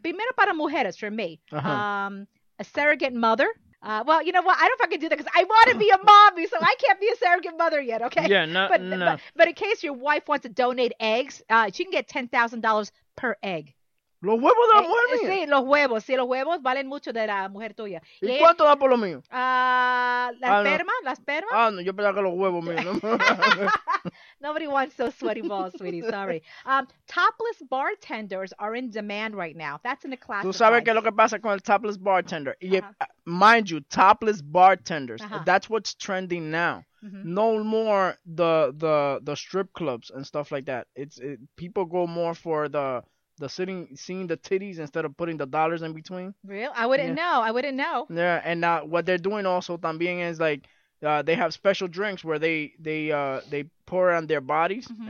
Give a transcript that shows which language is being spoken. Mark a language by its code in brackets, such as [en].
[es] Primero para mujeres, [en] for me. A surrogate mother. Well, you know what? I don't fucking do that because I want to be a mommy, so I can't be a surrogate mother yet, okay? Yeah, no. But, no. But in case your wife wants to donate eggs, she can get $10,000 per egg. [es] Los huevos de la mujer mía. Sí, los huevos. Sí, los huevos valen mucho de la mujer tuya. ¿Y cuánto da por lo mío? La esperma, la esperma. Ah, no, yo pensaba que los huevos míos. [en] Nobody wants those sweaty balls, sweetie. Sorry. Topless bartenders are in demand right now. That's in the class. [es] ¿Tú sabes qué es lo que pasa con el topless bartender? [en] Uh-huh. Yeah, mind you, topless bartenders. Uh-huh. That's what's trending now. Mm-hmm. No more the strip clubs and stuff like that. People go more for seeing the titties instead of putting the dollars in between. Really? I wouldn't know. Yeah, and what they're doing also [es] también [en] is like they have special drinks where they pour it on their bodies, mm-hmm.